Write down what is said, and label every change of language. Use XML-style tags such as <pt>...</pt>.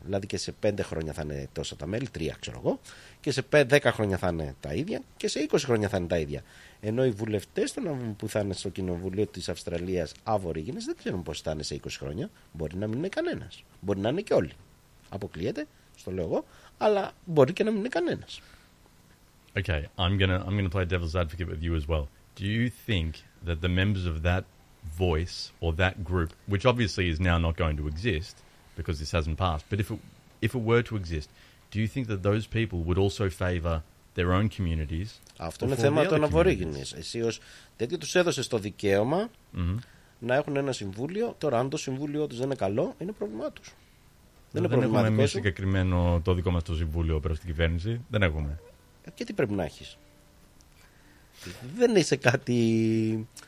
<el>Δηλαδή και σε 5 χρόνια θα είναι τόσα τα μέλη, 3 ξέρω εγώ, και σε 10 χρόνια θα είναι τα ίδια και σε 20 χρόνια θα είναι τα ίδια. Ενώ οι βουλευτές που θα είναι στο Κοινοβούλιο της Αυστραλίας Αβορήγινες δεν ξέρουν πώς θα είναι σε 20 χρόνια. Μπορεί να μην είναι κανένας. Μπορεί να είναι και όλοι. Αποκλείεται, στο λέω εγώ, αλλά μπορεί και να μην είναι κανένας.</el> <en>Okay, I'm gonna play devil's advocate with you as well. Do you think that the members of that voice or that group, which obviously is now not going to exist because this hasn't passed, but if it were to exist, do you think that those people would also favor their own communities?</en> <el>Αυτό είναι θέμα των Αβορήγινες. Εσύ ως τέτοιο τους έδωσες το δικαίωμα να έχουν ένα συμβούλιο. Τώρα, αν το συμβούλιο τους δεν είναι καλό, είναι πρόβλημά τους. Δεν έχουμε εμείς συγκεκριμένο το δικό μας το συμβούλιο προς την κυβέρνηση. Δεν έχουμε. Και τι πρέπει να έχεις. Δεν είσαι κάτι.</el>